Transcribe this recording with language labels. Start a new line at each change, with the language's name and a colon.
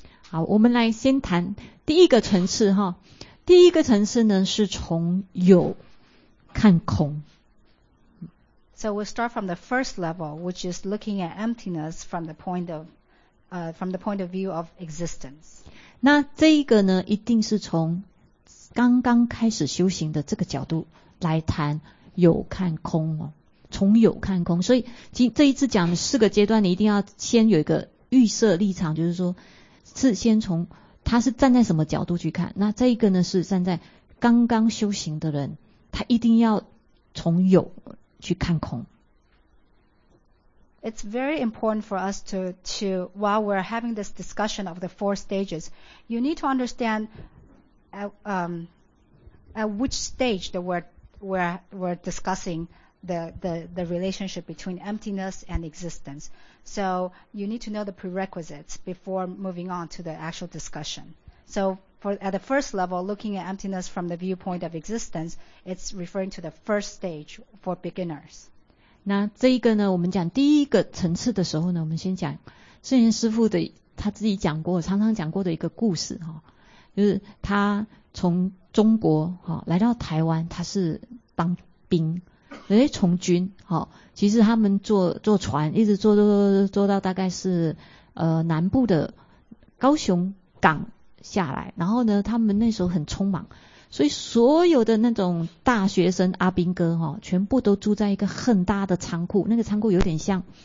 Chinese: 好，我们来先谈第一个层次哈。第一个层次呢，是从有看空。
English: So we'll start from the first level, which is looking at emptiness from the point of, from the point of view of existence.
Chinese: 那这一个呢，一定是从刚刚开始修行的这个角度来谈有看空哦，从有看空。所以这一次讲的四个阶段，你一定要先有一个预设立场，就是说。是先从他是站在什么角度去看，那这一个呢是站在刚刚修行的人，他一定要从有去看空。
English: It's very important for us to while we're having this discussion of the four stages, you need to understand at which stage that we're discussing the relationship between emptiness and existence. So you need to know the prerequisites before moving on to the actual discussion. So at the first level, looking at emptiness from the viewpoint of existence, it's referring to the first stage for beginners.
Chinese: 那这一个呢，我们讲第一个层次的时候呢，我们先讲圣严师父的他自己讲过，常常讲过的一个故事哈，就是他从中国哈来到台湾，他是当兵。从军、哦、其实他们 坐船一直坐到大概是南部的高雄港下来，然后呢他们那时候很匆忙，所以所有的那种大学生阿兵哥、哦、全部都住在一个很大的仓库，那个仓库有点像